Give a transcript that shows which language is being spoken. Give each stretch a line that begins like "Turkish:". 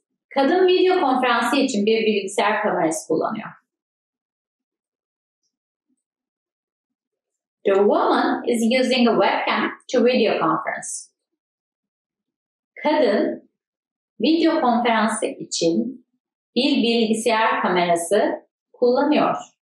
Turkish: Kadın video konferansı için bir bilgisayar kamerası kullanıyor.
English: The woman is using a webcam to video conference.
Turkish: Kadın video konferansı için bir bilgisayar kamerası kullanıyor.